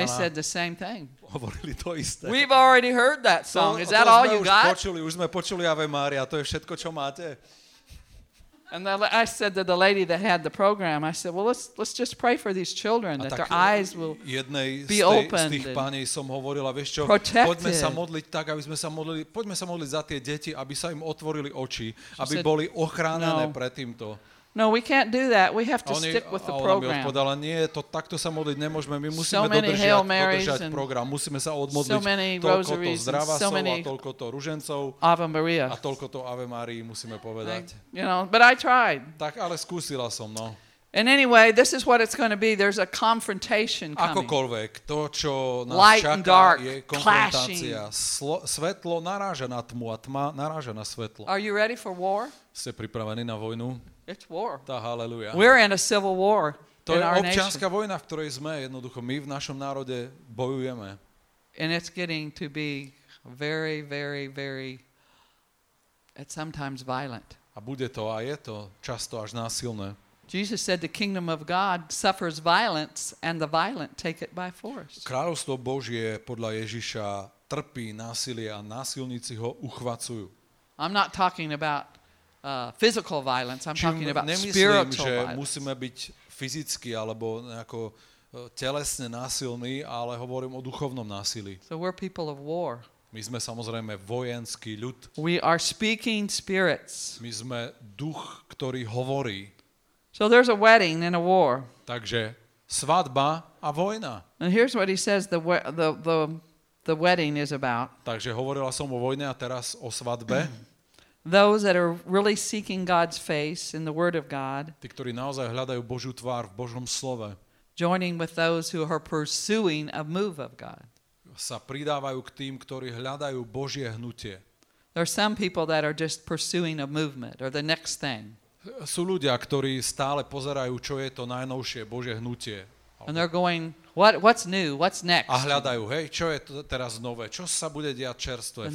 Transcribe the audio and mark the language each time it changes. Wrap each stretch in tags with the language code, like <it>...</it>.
<en>They said the same thing.</en> <sk>Hovorili to isté.</sk> <en>We've already heard that song. Is that all you got?</en> <sk>Počuli, už sme počuli Ave Maria, to je všetko, čo máte.</sk> <en>And I said to the lady that had the program, I said, well, let's just pray for these children, that their eyes will be opened.</en> <sk>Z tých pani som hovorila, vieš čo, poďme sa modliť tak, aby sme sa modlili, poďme sa modliť za tie deti, aby sa im otvorili oči, aby boli ochránené pred týmto.</sk> <en>No, we can't do that. We have to stick with the program.</en> <sk>A ona mi odpovedala, nie, to takto sa modliť nemôžeme. My musíme dodržať program. Musíme sa odmodliť toľko to zdravasov a toľko to ružencov a toľko to Ave Márii musíme povedať.</sk> <en>You know, but I tried.</en> <sk>Tak, ale skúsila som, no.</sk> <en>And anyway, this is what it's going to be. There's a confrontation coming.</en> <sk>Akokoľvek, to, čo nás</sk> <en>light</en> <sk>čaká,</sk> <en>and dark,</en> <sk>je konfrontácia. Svetlo naráža na tmu a tma naráža na svetlo.</sk> <en>Are you ready for war?</en> <sk>Ste pripravení na vojnu?</sk> <en>It's war.</en> <sk>Tá, halleluja.</sk> <en>We're in a civil war in our nation.</en> <sk>To je občianska vojna, v ktorej sme, jednoducho my v našom národe bojujeme.</sk> <en>And it's getting to be very, very, very at sometimes violent.</en> <sk>A bude to a je to často až násilné.</sk> <en>Jesus said the kingdom of God suffers violence and the violent take it by force.</en> <sk>Kráľovstvo Božie podľa Ježiša trpí násilie a násilníci ho uchvacujú.</sk> <en>I'm not talking about physical violence. I'm</en> <sk>čím</sk> <en>talking about</en> <sk>nemyslím,</sk> <en>spiritual</en> <sk>že</sk> <en>violence.</en> <sk>Musíme byť fyzicky alebo nejako telesne násilní, ale hovorím o duchovnom násilí.</sk> <en>So we're people of war.</en> <sk>My sme samozrejme vojenský ľud.</sk> <en>We are speaking spirits.</en> <sk>My sme duch, ktorý hovorí.</sk> <en>So there's a wedding and a war.</en> <sk>Takže svadba a vojna.</sk> <en>And here's what he says the wedding is about.</en> <sk>Takže hovorila som o vojne a teraz o svadbe.</sk> <en>Those that are really seeking God's face in the word of God.</en> <sk>Tí, ktorí naozaj hľadajú Božiu tvár v Božom slove.</sk> <en>Joining with those who are pursuing a move of God.</en> <sk>Sa pridávajú k tým, ktorí hľadajú Božie hnutie.</sk> <en>There are some people that are just pursuing a movement or the next thing.</en> <sk>Sú ľudia, ktorí stále pozerajú, čo je to najnovšie Božie hnutie.</sk> <en>And they're going, what's new, what's next?</en> <sk>A hľadajú, hej, čo je to teraz nové, čo sa bude diať čerstvé</sk>